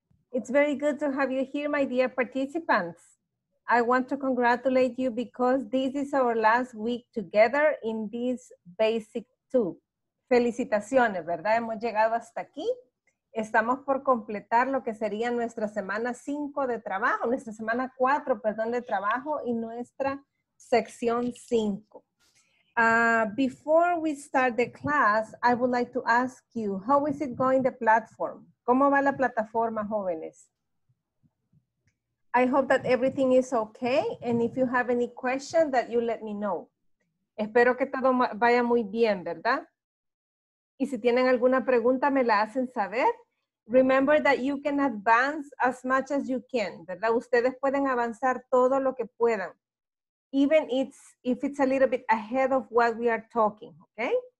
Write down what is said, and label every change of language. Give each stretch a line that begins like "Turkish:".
English: It's very good to have you here, my dear participants. I want to congratulate you because this is our last week together in this basic two.
Spanish: Felicitaciones, ¿verdad? Hemos llegado hasta aquí. Estamos por completar lo que sería nuestra semana 5 de trabajo, nuestra semana 4, perdón, de trabajo y nuestra sección 5.
English: Before we start the class, I would like to ask you, how is it going the platform?
Spanish: ¿Cómo va la plataforma, jóvenes?
English: I hope that everything is okay, and if you have any questions, that you let me know.
Spanish: Espero que todo vaya muy bien, ¿verdad? Y si tienen alguna pregunta, me la hacen saber.
English: Remember that you can advance as much as you can, ¿verdad?
Spanish: Ustedes pueden avanzar todo lo que puedan.
English: Even if it's a little bit ahead of what we are talking, okay?